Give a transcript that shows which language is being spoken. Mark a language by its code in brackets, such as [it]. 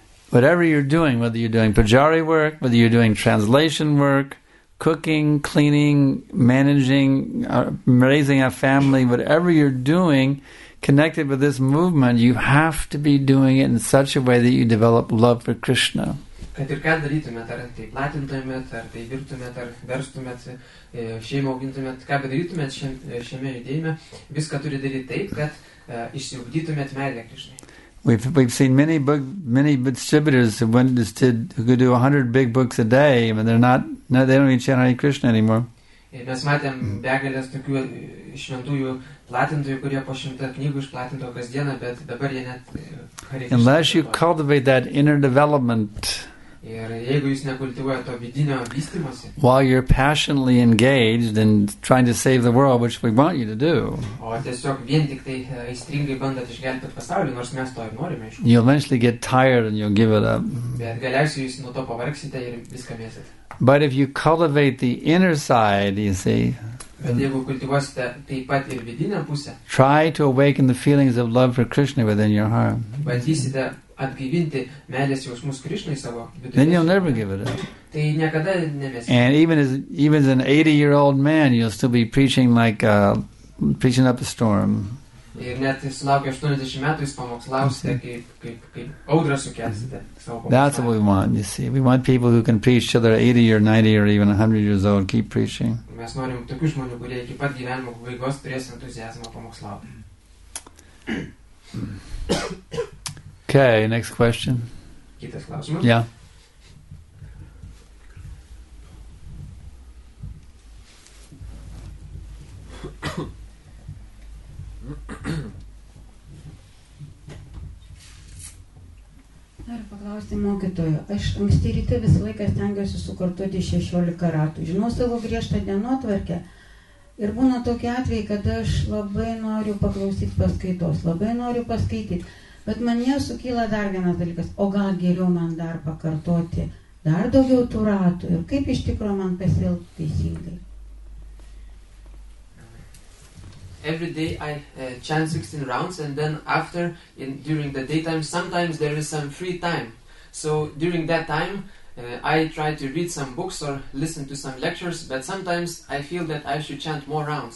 [en] Whatever you're doing, whether you're doing pujari work, whether you're doing translation work, cooking, cleaning, managing, raising a family, whatever you're doing connected with this movement, you have to be doing it in such a way that you develop love for Krishna. [lt] Kad ir ką darytumėt, ar tai platintumėt, ar tai virtumėt, ar verstumėt, šeimą augintumėt, ką darytumėt šiame judėjime, viską turi daryti taip, kad išsiugdytumėt meilę Krishnai. [en] We've seen many distributors who could do 100 big books a day, but they don't even chant Hare Krishna anymore. [lt] Mes matėm begalės tokių šventųjų platintojų, kurie po 100 knygų išplatinto kasdieną, bet dabar jie net Hare Krishna. [en] Unless you cultivate that inner development, [lt] ir jeigu jūs nekultivuojate to vidinio vystymosi, [en] while you're passionately engaged in trying to save the world, which we want you to do, [lt] o tiesiog vien tik tai aistringai bandat išgelbėti pasaulį, nors mes to ir norime, [en] you'll eventually get tired and you'll give it up. [lt] Bet galiausiai jūs nuo to pavargsite ir viską mėsit. [en] But if you cultivate the inner side, you see, [lt] bet jeigu kultivuosite taip pat ir vidinę pusę, [en] try to awaken the feelings of love for Krishna within your heart, [lt] bandysite atgyvinti meilės jausmus Krishnai savo viduje, [en] then you'll never give it up. [lt] Tai niekada nemesite. [en] And even as an 80-year-old man, you'll still be preaching like preaching up a storm. [lt] Ir net sulaukia 80 metų, jūs pamokslausite, kaip audrą sukelsite. [en] That's what we want, you see. We want people who can preach till they're 80 or 90 or even 100 years old, keep preaching. [lt] Mes norim tokių žmonių, kurie iki pat gyvenimo pabaigos turės entuziazmą pamokslauti. [en] Okay, next question. [lt] Kitas klausimas. [en] Yeah. [lt] Dar paklausti mokytojo. Aš anksti ryte visą laiką stengiuosi sukartuoti 16 ratų. Žinau savo griežtą dienotvarkę. Ir būna tokie atvejai, kad aš labai noriu paklausyti paskaitos, labai noriu paskaityti. Bet manie sukyla dar vienas dalykas. O gal geriau man dar pakartoti dar daugiau tų ratų? Ir kaip iš tikro man pasielgti teisingai? [en] Every day I chant 16 rounds, and then after, during the daytime, sometimes there is some free time. So during that time, I try to read some books or listen to some lectures, but sometimes I feel that I should chant more rounds.